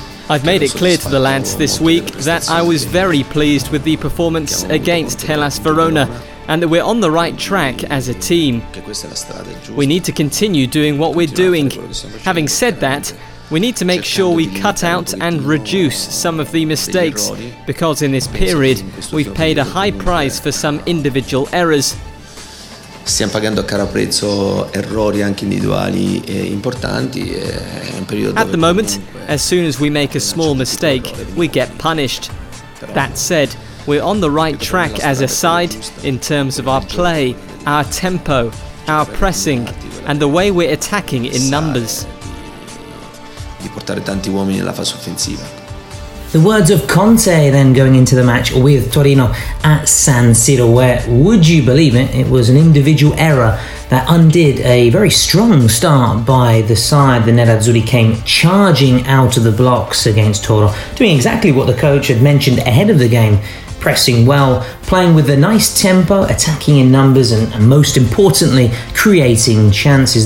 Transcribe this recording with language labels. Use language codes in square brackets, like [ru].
[en] I've made it clear to the lads this week that I was very pleased with the performance against Hellas Verona and that we're on the right track as a team. We need to continue doing what we're doing. Having said that, we need to make sure we cut out and reduce some of the mistakes, because in this period we've paid a high price for some individual errors. [it] Stiamo pagando a caro prezzo errori anche individuali e importanti. [en] At the moment, as soon as we make a small mistake, we get punished. That said, we're on the right track as a side in terms of our play, our tempo, our pressing, and the way we're attacking in numbers. [it] Di portare tanti uomini nella fase offensiva. [en] The words of Conte then going into the match with Torino at San Siro, where, would you believe it, it was an individual error that undid a very strong start by the side. The Nerazzurri came charging out of the blocks against Toro, doing exactly what the coach had mentioned ahead of the game, pressing well, playing with a nice tempo, attacking in numbers, and most importantly, creating chances.